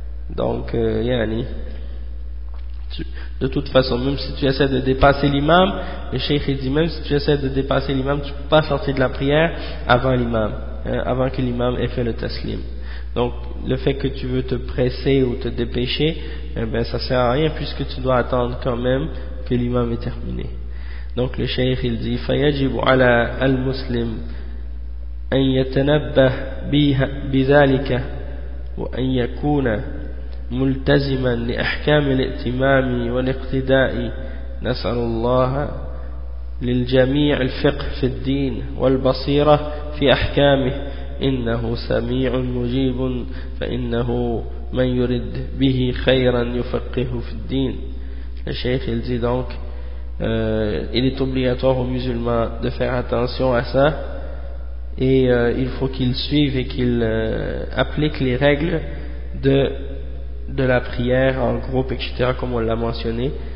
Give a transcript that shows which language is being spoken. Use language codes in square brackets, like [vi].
[fr] Donc, yani, de toute façon, même si tu essaies de dépasser l'imam, le cheikh dit, même si tu essaies de dépasser l'imam, tu ne peux pas sortir de la prière avant l'imam, hein? Avant que l'imam ait fait le taslim. Donc, le fait que tu veux te presser ou te dépêcher, eh bien, ça sert à rien puisque tu dois attendre quand même que l'imam est terminé. Donc, le cheikh, il dit, [ar] فَيَجِبُ عَلَى الْمُسْلِمِ أَنْ يَتَنَبَّهَ بِذَلِكَ وَأَنْ يَكُونَ مُلْتَزِمًا لِأَحْكَامِ الْإِتِمَامِ وَالْإِقْتِدَاءِ نَسْأَلُ اللَّهَ لِلْجَمِيعِ الْفِقْهِ فِي الدِّينِ وَالْبَصِيرَةِ فِي أَحْكَامِهِ إنه سميع مجيب فإنه من يرد به خيرا يفقه في الدين. [fr] Le cheikh il dit donc il est obligatoire aux musulmans de faire attention à ça et il faut qu'ils suivent et qu'ils appliquent les règles de la prière en groupe, etc., comme on l'a mentionné.